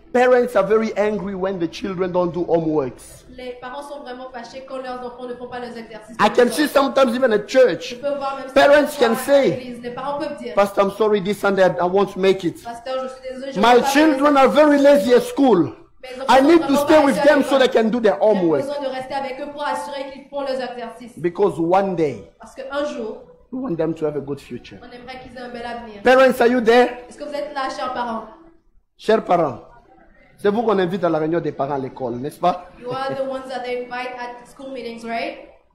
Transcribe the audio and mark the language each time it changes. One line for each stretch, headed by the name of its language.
English: Parents are very angry when the children don't do homeworks.
French: Les parents sont vraiment fâchés quand leurs enfants ne font pas leurs exercices.
English: I can see sometimes even at church.
French: Je peux voir même
English: parents can say,
French: les parents peuvent dire,
English: Pastor, I'm sorry this Sunday I won't make it.
French: Pastor, je suis désolé, je
English: my children
French: pas
English: are very lazy at school. I need to stay with them so they can do their homework.
French: J'ai besoin de rester avec eux pour assurer qu'ils font leurs exercices.
English: Because one day,
French: parce que un jour,
English: we want them to have a good future.
French: On aimerait qu'ils aient un bel avenir.
English: Parents, are you there?
French: Est-ce que vous êtes là, chers parents? Chers parents, c'est vous qu'on invite à la réunion des parents à l'école, n'est-ce pas?
English: You are the ones that they invite at school meetings, right?